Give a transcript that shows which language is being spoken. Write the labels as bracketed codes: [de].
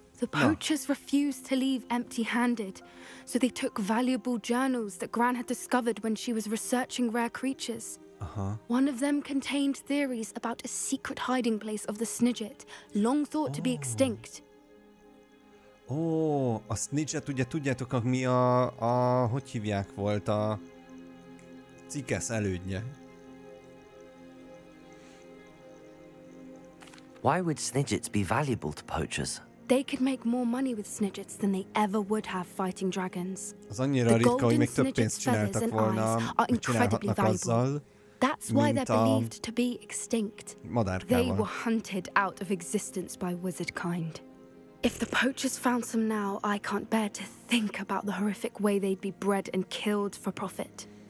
[en] The poachers refused to leave empty-handed, so they took valuable journals that Gran had discovered when she was researching rare creatures. One of them contained theories about a secret hiding place of the Snidget, long thought to be extinct. [hu] A Snidget, ugye tudjátok, mi hogy hívják, volt a cikesz elődje. [en] Why would Snidgets be valuable to poachers? They could make more money with Snidgets than they ever would have fighting dragons. [hu] Az annyira ritka, hogy még több pénzt csináltak volna, hogy csinálhatnak azzal. [en] That's why they're believed to be extinct. [hu] Madárkával. [en] They were hunted out of existence by wizard kind. If the poachers found some now, I can't bear to think about the horrific way they'd be bred and killed for profit.